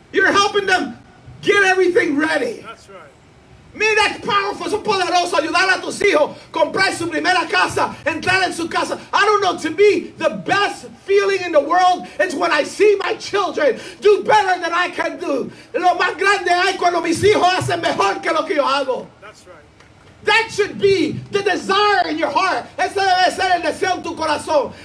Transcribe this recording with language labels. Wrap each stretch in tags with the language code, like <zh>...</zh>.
<en>You're helping them get everything ready. That's right. Man, that's powerful.</en> <es>Es poderoso. Ayudar a tus hijos. Comprar su primera casa. Entrar en su casa.</es> <en>I don't know. To me, the best feeling in the world is when I see my children do better than I can do.</en> <es>Lo más grande hay cuando mis hijos hacen mejor que lo que yo hago.</es> <en>That's right. That should be the desire in your heart.</en> <es>Ese debe ser el deseo en tu corazón.</es>